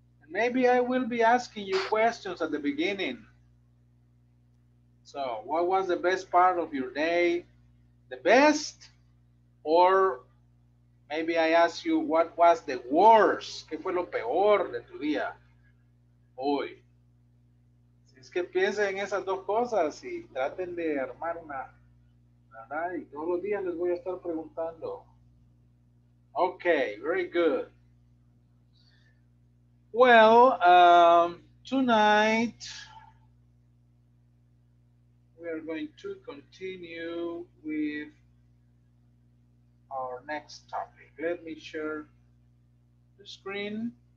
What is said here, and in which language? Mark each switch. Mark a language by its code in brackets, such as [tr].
[en] Maybe I will be asking you questions at the beginning. So, what was the best part of your day? The best? Or maybe I ask you, what was the worst? [es] ¿Qué fue lo peor de tu día? Hoy. Si es que piensen en esas dos cosas y traten de armar una, ¿verdad? Y todos los días les voy a estar preguntando. [en] Okay, very good. Well, tonight we are going to continue with our next topic. Let me share the screen.